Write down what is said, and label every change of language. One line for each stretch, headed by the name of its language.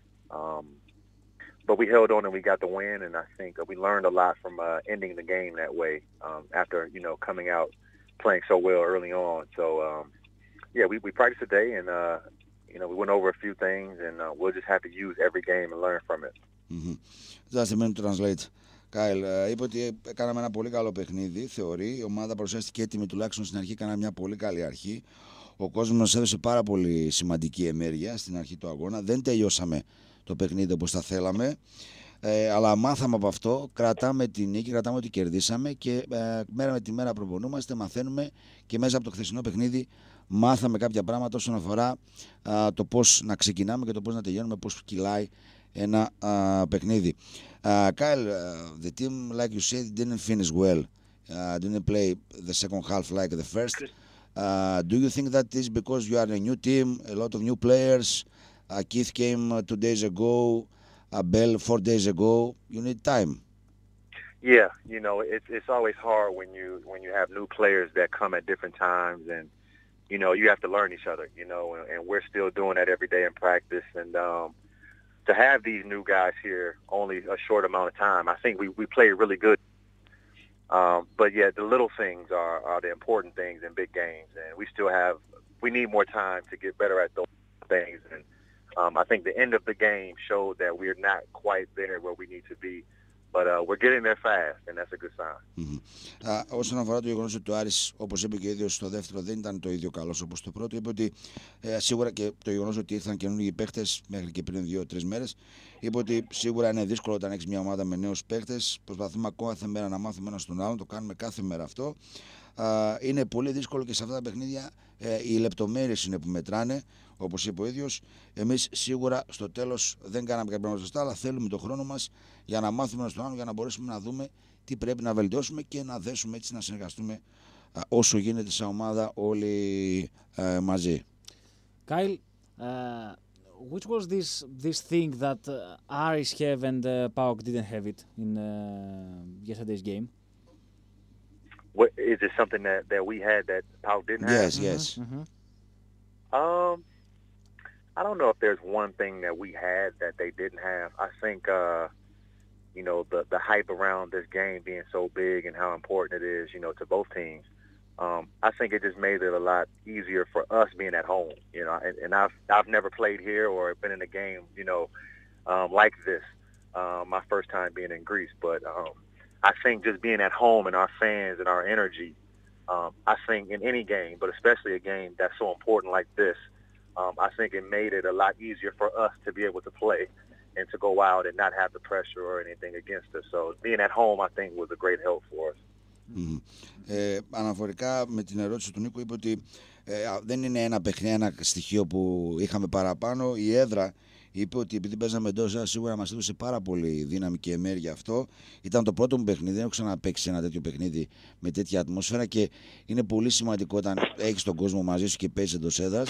English: But we held on and we got the win, and I think we learned a lot from ending the game that way after, you know, coming out playing so well early on. So, we practiced today, and, we went over a few things, and we'll just have to use every game and learn from it. Mm-hmm. That's a minute to translate.
Greek: Κάιλ, είπε ότι κάναμε ένα πολύ καλό παιχνίδι, θεωρεί. Η ομάδα παρουσιάστηκε έτοιμη τουλάχιστον στην αρχή, κάναμε μια πολύ καλή αρχή. Ο κόσμος έδωσε πάρα πολύ σημαντική ενέργεια στην αρχή του αγώνα. Δεν τελειώσαμε το παιχνίδι όπως θα θέλαμε. Αλλά μάθαμε από αυτό, κρατάμε τη νίκη, κρατάμε ότι κερδίσαμε και μέρα με τη μέρα προπονούμαστε, μαθαίνουμε και μέσα από το χθεσινό παιχνίδι μάθαμε κάποια πράγματα όσον αφορά το πώς να ξεκινάμε και το πώς να τελειώνουμε, πώς κυλάει ένα παιχνίδι.
English: Kyle, the team, like you said, didn't finish well. Didn't play the second half like the first. Do you think that is because you are a new team, a lot of new players? Keith came 2 days ago, Abel 4 days ago. You need time. Yeah, you know, it's always hard when you have new players that come at different times, and you know, you have to learn each other, you know, and we're still doing that every day in practice. And to have these new guys here only a short amount of time, I think we play really good. But yeah, the little things are the important things in big games, and we need more time to get better at those things. And I think the end of the game showed that we're not quite there where we need to be, but we're getting there fast, and that's a good sign.
Greek: Όσον αφορά το γεγονός ότι ο Άρης, όπως είπε και ο ίδιος, στο δεύτερο δεν ήταν το ίδιο καλός όπως το πρώτο, είπε ότι σίγουρα και το γεγονός ότι ήρθαν καινούργιοι παίχτες μέχρι και πριν 2-3 μέρες, είπε ότι σίγουρα είναι δύσκολο όταν έχεις μια ομάδα με νέους παίχτες. Προσπαθούμε ακόμα κάθε μέρα να μάθουμε ένα στον άλλον, το κάνουμε κάθε μέρα αυτό. Είναι πολύ δύσκολο και σε αυτά τα παιχνίδια οι λεπτομέρειες είναι που μετράνε, όπως είπε ο ίδιος. Εμείς σίγουρα στο τέλος δεν κάναμε κάποια πράγματα σωστά, αλλά θέλουμε τον χρόνο μας για να μάθουμε ένα στον άλλον, για να μπορέσουμε να δούμε τι πρέπει να βελτιώσουμε και να δέσουμε, έτσι να συνεργαστούμε όσο γίνεται σαν ομάδα όλοι μαζί.
English: Kyle, which was this thing that Aris have and PAOK didn't have it in yesterday's game? What, is it something that we had that PAOK didn't have? Yes, yes. Mm-hmm. I don't know if there's one thing that we had that they didn't have. I think you know, the hype around this game being so big and how important it is, you know, to both teams. I think it just made it a lot easier for us being at home, you know, and I've never played here or been in a game, you know, like this, my first time being in Greece. But I think just being at home and our fans and our energy, I think in any game, but especially a game that's so important like this, I think it made it a lot easier for us to be able to play and to go out and not have the pressure or anything against us. So being at home, I think, was a great help for us. Mm-hmm.
Greek: Αναφορικά με την ερώτηση του Νίκου, είπε ότι δεν είναι ένα παιχνίδι, ένα στοιχείο που είχαμε παραπάνω. Η έδρα, είπε ότι επειδή παίζαμε εντός, σίγουρα μας έδωσε πάρα πολύ δύναμη και ενέργεια αυτό. Ήταν το πρώτο μου παιχνίδι, δεν έχω ξαναπαίξει ένα τέτοιο παιχνίδι με τέτοια ατμόσφαιρα και είναι πολύ σημαντικό όταν έχεις τον κόσμο μαζί σου και παίζεις εντός έδρας.